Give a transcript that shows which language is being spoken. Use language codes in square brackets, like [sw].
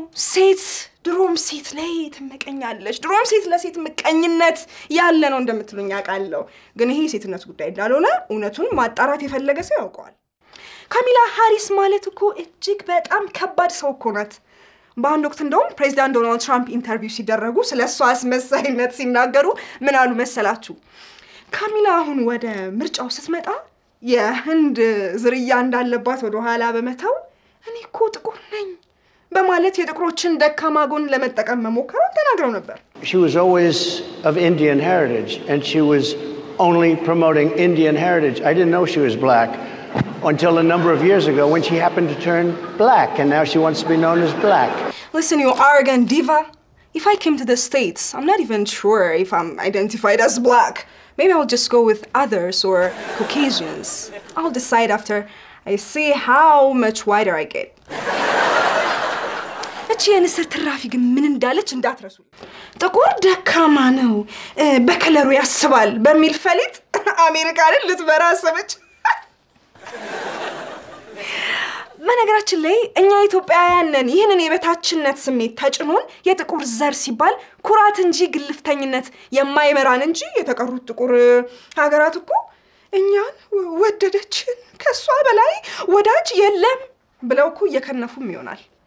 [am] ሴት ድሮም ሴት ላይ ተመቀኛለሽ ድሮም ሴት ለሴት መቀኝነት ያለ ነው እንደምትሉኝ አቃለሁ ግን ይሄ ሴትነት ጉዳይ እንዳልሆነ እነቱን ማጣራት የፈለገ ሰው ያውቃል ካሚላ ሃሪስ ማለት እኮ እጅግ በጣም ከባድ ሰው እኮ ናት። በአንድ ወቅት እንደውም ፕሬዚዳንት ዶናልድ ትራምፕ ኢንተርቪው ሲደረጉ ስለ እሷ አስመሳይነት ሲናገሩ ምን አሉ መሰላችሁ? ካሚላ አሁን ወደ ምርጫው ስትመጣ የህንድ ዝርያ እንዳለባት ወደ ኋላ በመተው እኔ እኮ ጥቁር ነኝ በማለት የጥቁሮችን ደካማ ጎን ለመጠቀም መሞከሯን ተናግረው ነበር። [en] She was always of Indian heritage and she was only promoting Indian heritage. I didn't know she was black. Until a number of years ago when she happened to turn black and now she wants to be known as black. Listen, you arrogant diva. If I came to the States, I'm not even sure if I'm identified as black. Maybe I'll just go with others or Caucasians. I'll decide after I see how much whiter I get. [am] እቺ የነሰር ትራፊ ግን ምን እንዳለች እንዳትረሱ። ጥቁር ደካማ ነው በከለሩ ያስባል በሚል ፈሊጥ አሜሪካን ልትበራ አሰበች። መነገራችን ላይ እኛ ኢትዮጵያውያን ነን ይሄንን የበታችነት ስሜት ተጭኖን የጥቁር ዘር ሲባል ኩራት እንጂ ግልፍተኝነት የማይመራን እንጂ የተቀሩት ጥቁር ሀገራት እኮ እኛን ወደደችን ከሷ በላይ ወዳጅ የለም ብለው እኮ የከነፉም ይሆናል